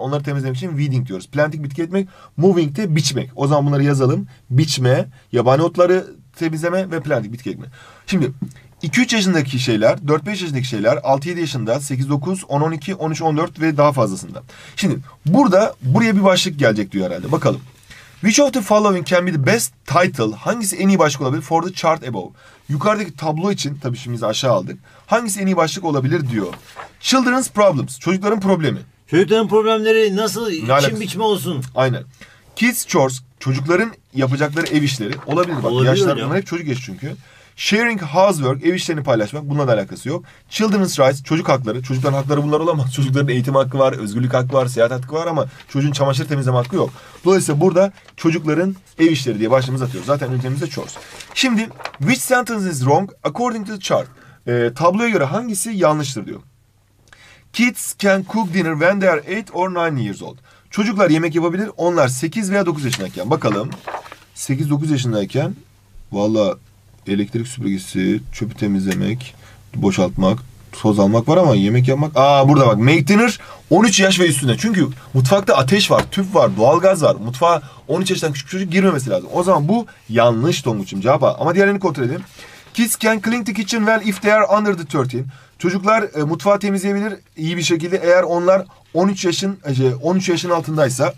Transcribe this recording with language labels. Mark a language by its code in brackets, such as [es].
[tr] Onları temizlemek için weeding diyoruz. Planting bitki etmek, moving de biçmek. O zaman bunları yazalım. Biçme, yabani otları temizleme ve planting bitki etme. Şimdi 2-3 yaşındaki şeyler, 4-5 yaşındaki şeyler, 6-7 yaşında, 8-9, 10-12, 13-14 ve daha fazlasında. Şimdi burada buraya bir başlık gelecek diyor herhalde. Bakalım. [en] Which of the following can be the best title? [tr] Hangisi en iyi başlık olabilir [en] for the chart above? [tr] Yukarıdaki tablo için, tabii şimdi biz aşağı aldık. Hangisi en iyi başlık olabilir diyor. [en] Children's problems. [tr] Çocukların problemi. Çocukların problemleri nasıl içim biçme olsun? Aynen. [en] Kids chores. [tr] Çocukların yapacakları ev işleri. Olabilir. Bak yaşlar bunlar hep çocuk yaşı çünkü. [en] Sharing housework, [tr] ev işlerini paylaşmak, bununla da alakası yok. [en] Children's rights, [tr] çocuk hakları. Çocukların hakları bunlar olamaz. Çocukların eğitim hakkı var, özgürlük hakkı var, seyahat hakkı var ama çocuğun çamaşır temizleme hakkı yok. Dolayısıyla burada çocukların ev işleri diye başlığımızı atıyoruz. Zaten ülkemizde chores. [en] Şimdi, which sentence is wrong according to the chart? [tr] Tabloya göre hangisi yanlıştır diyor. [en] Kids can cook dinner when they are 8 or 9 years old. [tr] Çocuklar yemek yapabilir. Onlar 8 veya 9 yaşındayken. Bakalım. 8-9 yaşındayken valla elektrik süpürgesi, çöpü temizlemek, boşaltmak, toz almak var ama yemek yapmak. Aa burada bak. [en] Make dinner [tr] 13 yaş ve üstünde. Çünkü mutfakta ateş var, tüp var, doğalgaz var. Mutfağa 13 yaştan küçük çocuk girmemesi lazım. O zaman bu yanlış Tonguç'um cevap. Ama diğerlerini kontrol edelim. [en] Kids can clean the kitchen well if they are under the 13. [tr] Çocuklar mutfağı temizleyebilir iyi bir şekilde eğer onlar 13 yaşın altındaysa.